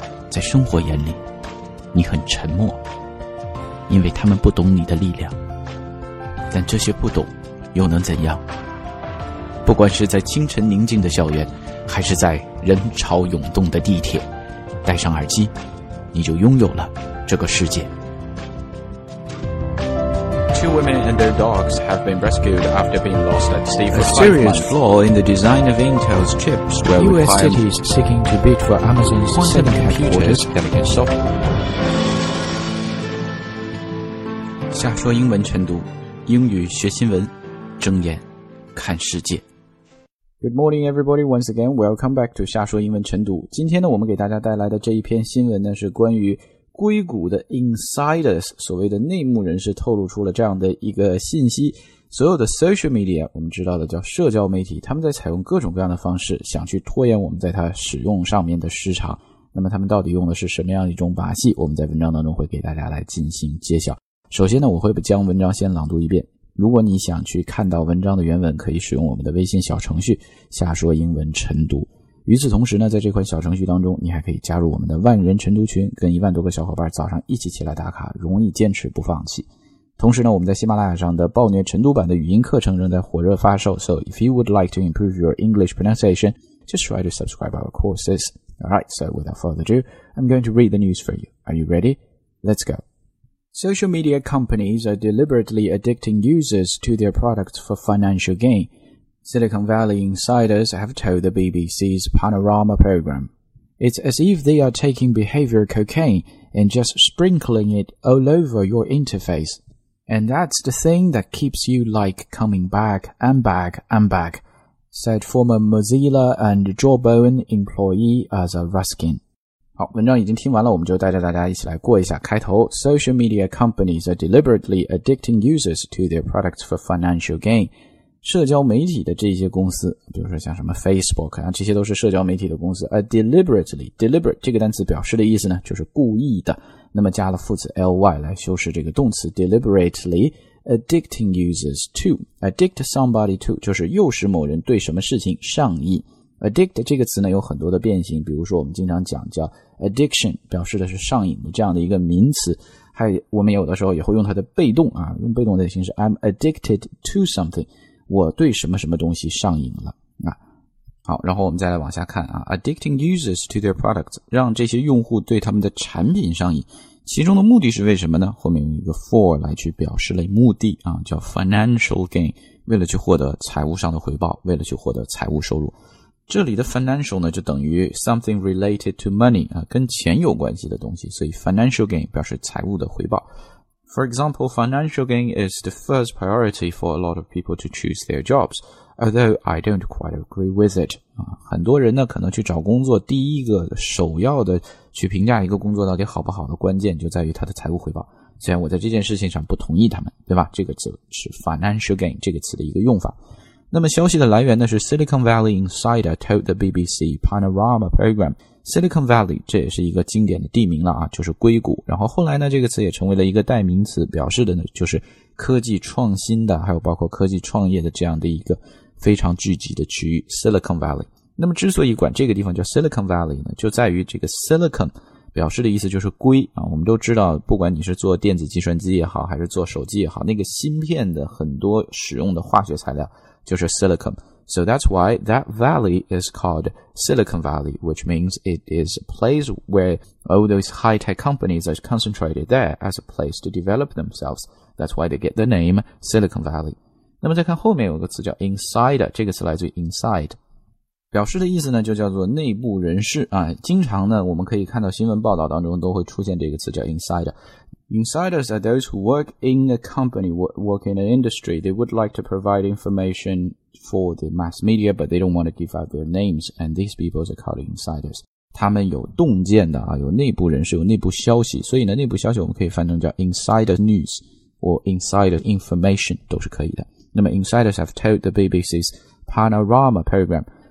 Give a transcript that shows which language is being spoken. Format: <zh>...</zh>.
<zh>在生活眼里，你很沉默，因为他们不懂你的力量。但这些不懂又能怎样？不管是在清晨宁静的校园，还是在人潮涌动的地铁，戴上耳机，你就拥有了这个世界。</zh> <en>Two women and their dogs have been rescued after being lost at sea for 5 months. A serious flaw in the design of Intel's chips where U.S. cities seeking to bid for Amazon's quantum computers can be solved.</en> <zh>瞎说英文晨读，英语学新闻，睁眼看世界。</zh> <en>Good morning, everybody. Once again, welcome back to 瞎说英文晨读。</en> <zh>今天呢，我们给大家带来的这一篇新闻呢，是关于硅谷的 insiders, 所谓的内幕人士透露出了这样的一个信息。所有的 social media, 我们知道的叫社交媒体，他们在采用各种各样的方式想去拖延我们在它使用上面的时长。那么他们到底用的是什么样一种把戏，我们在文章当中会给大家来进行揭晓。首先呢，我会将文章先朗读一遍。如果你想去看到文章的原文，可以使用我们的微信小程序瞎说英文晨读。与此同时呢，在这款小程序当中，你还可以加入我们的万人晨读群，跟一万多个小伙伴早上一起起来打卡，容易坚持不放弃。同时呢，我们在喜马拉雅上的暴虐晨读版的语音课程正在火热发售， So if you would like to improve your English pronunciation, just try to subscribe our courses.</zh> <en>Alright, so without further ado, I'm going to read the news for you. Are you ready? Let's go. Social media companies are deliberately addicting users to their products for financial gain. Silicon Valley insiders have told the BBC's Panorama program. It's as if they are taking behavior cocaine and just sprinkling it all over your interface. And that's the thing that keeps you like coming back and back and back, said former Mozilla and Jawbone employee Aza Ruskin.</en> <zh>好，文章已经听完了，我们就带着大家一起来过一下开头。</zh> <en>Social media companies are deliberately addicting users to their products for financial gain.</en> <zh>社交媒体的这些公司，比如说像什么 Facebook 啊，这些都是社交媒体的公司。 deliberate 这个单词表示的意思呢，就是故意的。那么加了副词 ly 来修饰这个动词 deliberately addicting users to addict somebody to 就是诱使某人对什么事情上瘾。 addict 这个词呢有很多的变形，比如说我们经常讲叫 addiction 表示的是上瘾的这样的一个名词。还我们有的时候也会用它的被动啊，用被动的形式 I'm addicted to something。我对什么什么东西上瘾了啊？好，然后我们再来往下看啊。 Addicting users to their products, 让这些用户对他们的产品上瘾，其中的目的是为什么呢？后面有一个 for 来去表示了目的啊，叫 financial gain, 为了去获得财务上的回报，为了去获得财务收入。这里的 financial 呢，就等于 something related to money 啊，跟钱有关系的东西，所以 financial gain 表示财务的回报。</zh> <en>For example, financial gain is the first priority for a lot of people to choose their jobs, although I don't quite agree with it.</en> <zh>很多人呢可能去找工作第一个首要的去评价一个工作到底好不好的关键就在于他的财务回报。虽然我在这件事情上不同意他们，对吧？这个词是 financial gain 这个词的一个用法。</zh> <en>那么消息的来源呢是 Silicon Valley Insider told the BBC Panorama Program.</en> <zh>Silicon Valley 这也是一个经典的地名了啊，就是硅谷。然后后来呢这个词也成为了一个代名词，表示的呢就是科技创新的还有包括科技创业的这样的一个非常聚集的区域 Silicon Valley。那么之所以管这个地方叫 Silicon Valley 呢，就在于这个 Silicon 表示的意思就是硅啊。我们都知道不管你是做电子计算机也好还是做手机也好，那个芯片的很多使用的化学材料就是 silicon.</zh> <en>So that's why that valley is called Silicon Valley, which means it is a place where all those high-tech companies are concentrated there as a place to develop themselves. That's why they get the name Silicon Valley.</en> <zh>那么再看后面有个词叫 insider, 这个词来自于 inside。表示的意思呢就叫做内部人士啊，经常呢我们可以看到新闻报道当中都会出现这个词叫 insider。</zh> <en>Insiders are those who work in a company, work in an industry. They would like to provide information for the mass media, but they don't want to give out their names. And these people are called insiders.</en> <zh>他们有洞见的啊，有内部人士，有内部消息。所以呢，内部消息我们可以翻成叫 insider news or insider information 都是可以的。那么 insiders have told the BBC's Panorama program.</zh>